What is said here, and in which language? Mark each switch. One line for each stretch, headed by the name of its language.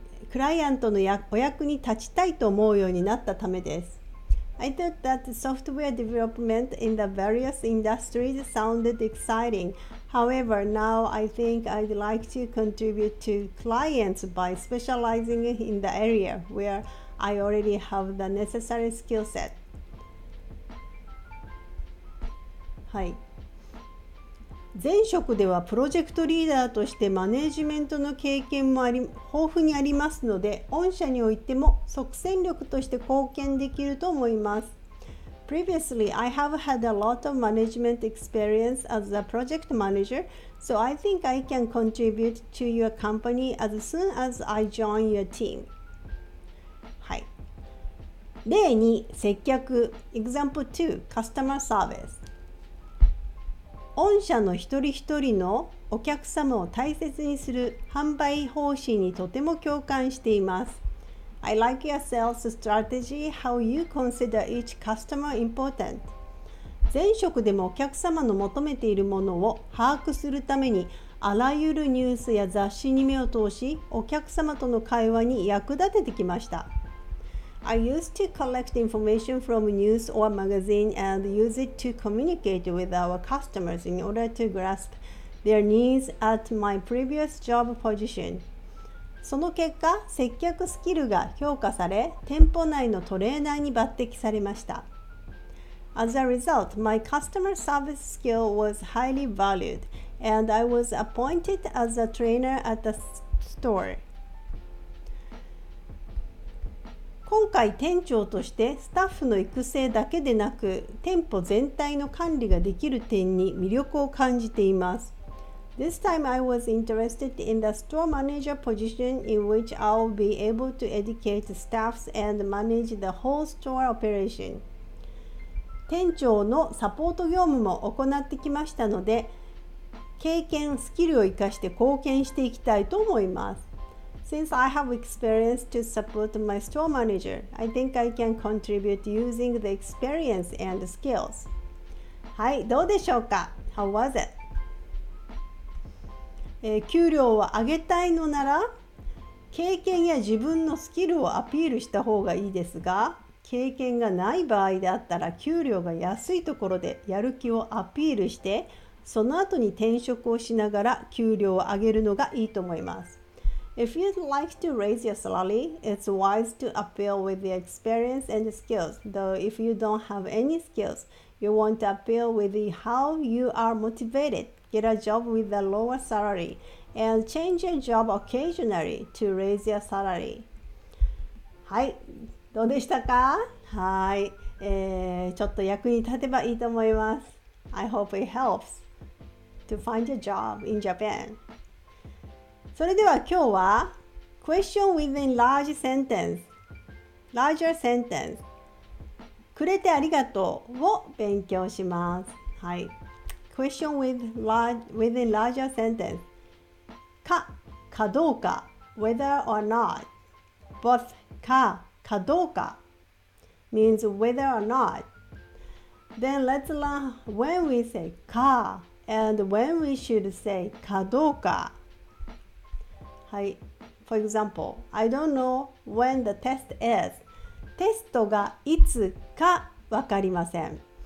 Japanese: クライアントのお役に立ちたいと思うようになったためです。
English: I thought that software development in the various industries sounded exciting. However, now I think I'd like to contribute to clients by specializing in the area where I already have the necessary skill set.
Japanese: はい。前職ではプロジェクトリーダーとしてマネジメントの経験も豊富にありますので、御社においても即戦力として貢献できると思います。
English: Previously, I have had a lot of management experience as a project manager, so I think I can contribute to your company as soon as I join your team.
Japanese: はい。例に接客
English: Example 2 Customer Service
Japanese: 御社の一人一人のお客様を大切にする販売方針にとても共感しています。
English: I like your sales strategy, how you consider each customer important.
Japanese: 前職でもお客様の求めているものを把握するために、あらゆるニュースや雑誌に目を通し、お客様との会話に役立ててきました。
English: I used to collect information from news or magazine and use it to communicate with our customers in order to grasp their needs at my previous job position.
Japanese: その結果、接客スキルが評価され、店舗内のトレーナーに抜擢されました。
English: As a result, my customer service skill was highly valued and I was appointed as a trainer at the store.
Japanese: 今回店長としてスタッフの育成だけでなく店舗全体の管理ができる点に魅力を感じています。
English: This time I was interested in the store manager position in which I'll be able to educate staffs and manage the whole store operation.
Japanese: 店長のサポート業務も行ってきましたので経験、スキルを生かして貢献していきたいと思います。
English: Since I have experience to support my store manager, I think I can contribute using the experience and skills.
Japanese: はい、どうでしょうか?
English: How was it?
Japanese: 給料を上げたいのなら、経験や自分のスキルをアピールした方がいいですが、経験がない場合であったら、給料が安いところでやる気をアピールして、その後に転職をしながら給料を上げるのがいいと思います。
English: If you'd like to raise your salary, it's wise to appeal with your experience and skills. Though if you don't have any skills, you want to appeal with how you are motivated. Get a job with a lower salary and change your job occasionally to raise your salary.
Japanese: はい、どうでしたか? はい、ちょっと役に立てばいいと思います。
English: I hope it helps to find a job in Japan.
Japanese: それでは今日は
English: Question within large sentence Larger sentence
Japanese: くれてありがとうを勉強します、はい、
English: Question with large, within larger sentence
Japanese: かかどうか
English: Whether or not Both かかどうか Means whether or not Then let's learn when we say かAnd when we should say かどうかはい、For example, I don't know when the test is.
Japanese: テストがいつかわかりません。